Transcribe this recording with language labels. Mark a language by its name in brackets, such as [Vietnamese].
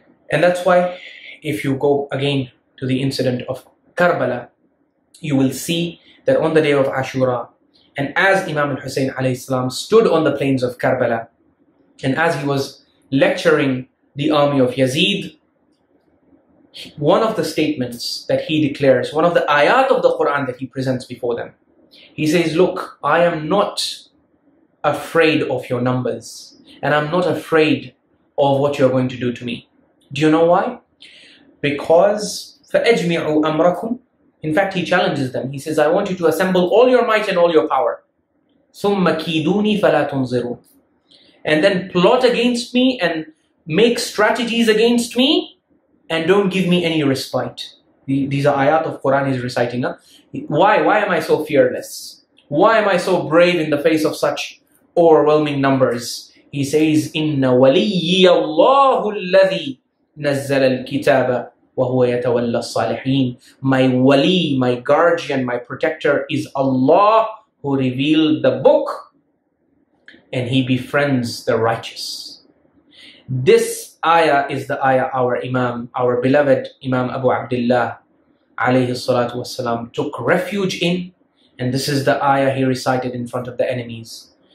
[English] And that's why, if you go again to the incident of Karbala, you will see that on the day of Ashura, and as Imam al-Husayn alayhi salam stood on the plains of Karbala, and as he was lecturing the army of Yazid, one of the statements that he declares, one of the ayat of the Quran that he presents before them, he says, look, I am not afraid of your numbers, and I'm not afraid of what you're going to do to me. Do you know why? Because [Arabic] فَأَجْمِعُوا أَمْرَكُمْ. [English] In fact, he challenges them. He says, I want you to assemble all your might and all your power. [Arabic] ثُمَّ كِيدُونِي فَلَا تُنْزِرُونَ. [English] And then plot against me and make strategies against me and don't give me any respite. These are ayat of Quran he's reciting. Huh? Why am I so fearless? Why am I so brave in the face of such overwhelming numbers? He says, [Arabic] إِنَّ وَلِيِّيَ اللَّهُ الَّذِي نَزَّلَ الْكِتَابَ وَهُوَ يَتَوَلَّ الصَّالِحِينَ. [English] My wali, my guardian, my protector is Allah who revealed the book and he befriends the righteous. This ayah is the ayah our Imam, our beloved Imam Abu Abdullah alayhi salatu wasalam took refuge in, and this is the ayah he recited in front of the enemies.